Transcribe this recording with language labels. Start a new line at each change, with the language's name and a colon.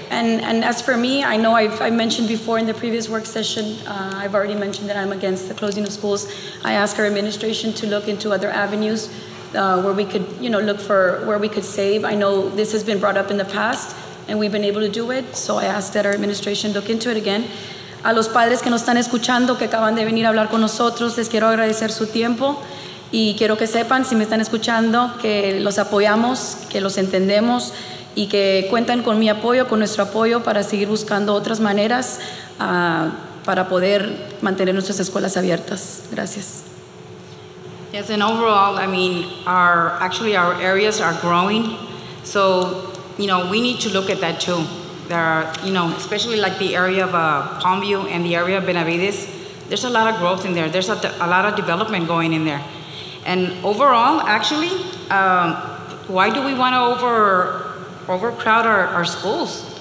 English: And as for me, I know I've mentioned before in the previous work session, I've already mentioned that I'm against the closing of schools. I ask our administration to look into other avenues where we could, you know, look for where we could save. I know this has been brought up in the past, and we've been able to do it, so I ask that our administration look into it again.
Spanish: A los padres que nos están escuchando, que acaban de venir a hablar con nosotros, les quiero agradecer su tiempo. Y quiero que sepan, si me están escuchando, que los apoyamos, que los entendemos y que cuentan con mi apoyo, con nuestro apoyo, para seguir buscando otras maneras para poder mantener nuestras escuelas abiertas. Gracias.
English: Yes, and overall, I mean, our areas are growing. So, you know, we need to look at that too. There are, you know, especially like the area of Palmview and the area of Benavides, there's a lot of growth in there. There's a lot of development going in there. And overall, actually, why do we want to overcrowd our schools?